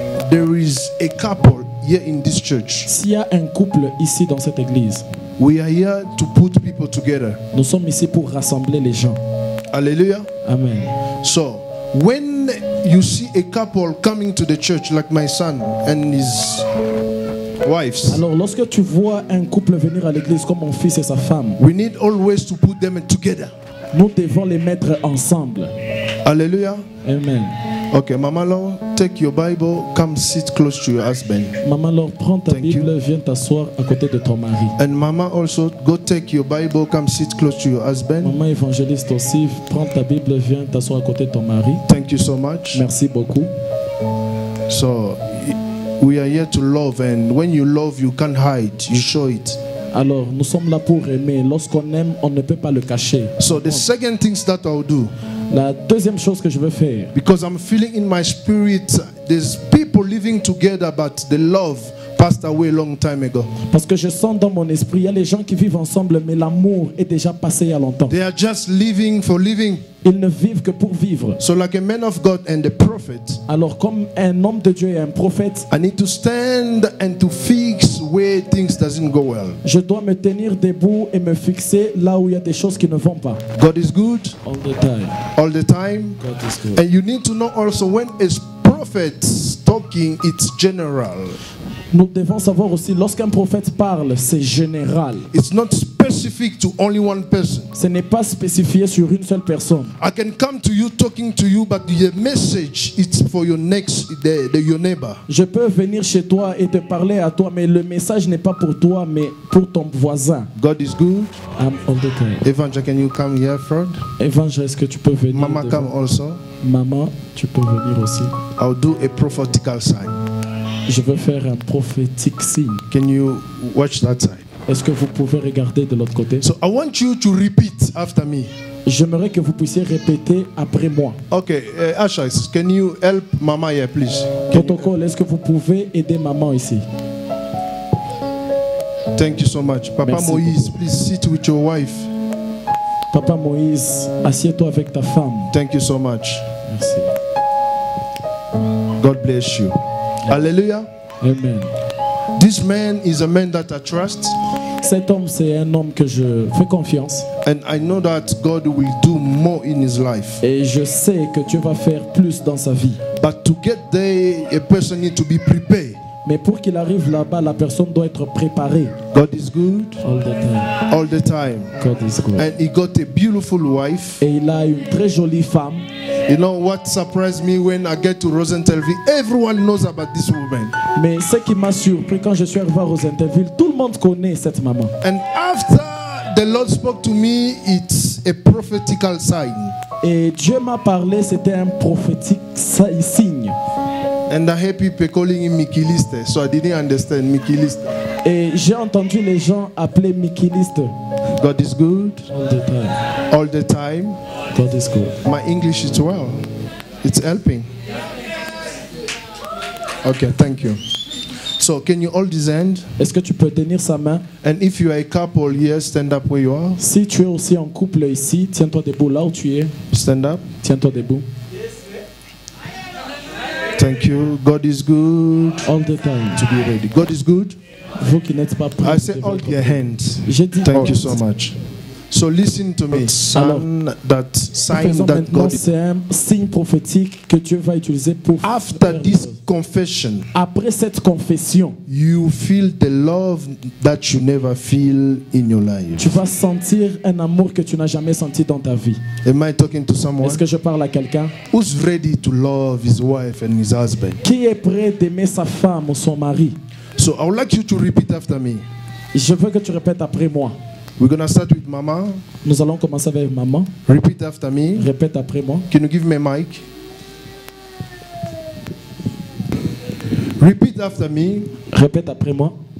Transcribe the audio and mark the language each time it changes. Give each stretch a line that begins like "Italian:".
English: There is a couple here in this church.
French: S'il y a un couple ici dans cette église.
English: We are here to put people together.
French: Nous sommes ici pour rassembler les gens. Alléluia. Amen.
English: So, when you see a couple coming to the church like my son and his wives.
French: Alors lorsque tu vois un couple venir à l'église comme mon fils et sa femme.
English: We need always to put them together.
French: Nous devons les mettre ensemble. Alléluia. Amen.
English: Okay, Mama Laure, take your Bible, come sit close to your husband.
French: Mama Laure, prends ta Bible, viens t'asseoir à côté de ton mari.
English: And Mama also, go take your Bible, come sit close to your husband.
French: Mama évangéliste aussi, prends ta Bible, viens t'asseoir à côté de ton mari.
English: Thank you so much.
French: Merci beaucoup.
English: So, we are here to love, and when you love, you can't hide, you show it.
French: Alors, nous sommes là pour aimer. Lorsqu'on aime, on ne peut pas le cacher.
English: So the second thing that I'll do.
French: La deuxième chose que je veux faire.
English: Because I'm feeling in my spirit, there's people living together, but the love passed away a long time ago.
French: Parce que je sens dans mon esprit, il y a les gens qui vivent ensemble, mais l'amour est déjà passé il y a longtemps.
English: They are just living for living.
French: Ils ne vivent que pour vivre.
English: So like a man of God and a prophet.
French: Alors comme un homme de Dieu et un prophète.
English: I need to stand and to fix where things doesn't go well.
French: Je dois me tenir debout et me fixer là où il y a des choses qui ne vont pas.
English: God is good all the time. All the time. God is good. And you need to know also when a prophet talking, it's general.
French: Nous devons savoir aussi lorsqu'un prophète parle, c'est général.
English: It's not specific to only one person.
French: Ce n'est pas spécifié sur une seule personne.
English: I can come to you talking to you, but the message is for your next your neighbor.
French: Je peux venir chez toi et te parler à toi, mais le message n'est pas pour toi, mais pour ton voisin.
English: God is good. I'm all the time. Evangel, can you come here, Fred?
French: Evangel, est-ce que tu peux venir?
English: Mama, come also.
French: Maman, tu peux venir aussi.
English: I'll do a prophetical sign.
French: Je veux faire un prophétique signe.
English: Can you watch that side?
French: Est-ce que vous pouvez regarder de l'autre côté?
English: So I want you to repeat after me.
French: J'aimerais que vous puissiez répéter après moi.
English: Okay, Asha, can you help mama here, please?
French: Protocole, est-ce que vous pouvez aider maman ici?
English: Thank you so much, Papa.
French: Merci Moïse. Beaucoup.
English: Please sit with your wife.
French: Papa Moïse, assieds-toi avec ta femme.
English: Thank you so much.
French: Merci.
English: God bless you. Alléluia. Amen. This man is a man that I trust.
French: Cet homme, c'est un homme que je fais confiance.
English: And I know that God will do more in his life.
French: Et je sais que Dieu va faire plus dans sa vie.
English: But to get there, a person needs to be prepared.
French: Mais pour qu'il arrive là-bas, la personne doit être préparée.
English: God is good. All the time. All the time. God is good. And he got a beautiful wife.
French: Et il a une très jolie femme.
English: You know what surprised me when I get to Rosenthalville? Everyone knows about this woman.
French: Mais ce qui m'a surpris quand je suis arrivé à Rosenthalville, tout le monde connaît cette maman.
English: And after the Lord spoke to me, it's a prophetical sign.
French: Et Dieu m'a parlé, c'était un prophétique signe.
English: And I hear people calling him Mikiliste, so I didn't understand Mikiliste.
French: Et j'ai entendu les gens appeler Mikiliste.
English: God is good. All the time. All the time. God is good. My English is well. It's helping. Okay, thank you. So can you all descend?
French: Est-ce que tu peux tenir sa main?
English: And if you are a couple here, stand up where you are.
French: Si tu es aussi en couple ici, tiens-toi debout là où tu es.
English: Stand up.
French: Tiens-toi debout.
English: Thank you. God is good. All the time. To be ready. God is good.
French: Vous qui n'êtes pas prêt.
English: I say hold your hands.
French: Je dis
English: thank you so much. So listen to me. Son, that sign that God.
French: C'est un signe prophétique que Dieu va utiliser pour.
English: After this confession.
French: Après cette confession.
English: You feel the love that you never feel in your life.
French: Tu vas sentir un amour que tu n'as jamais senti dans ta vie.
English: Am I talking to someone?
French: Est-ce que je parle à quelqu'un?
English: Who's ready to love his wife and his husband?
French: Qui est prêt d'aimer sa femme ou son mari?
English: So I would like you to repeat after me.
French: Je veux que tu répètes après moi.
English: We're gonna start with mama.
French: Nous allons commencer avec maman.
English: Repeat after me.
French: Répète après moi.
English: Can you give me a mic? Repeat after me.
French: Répète après moi.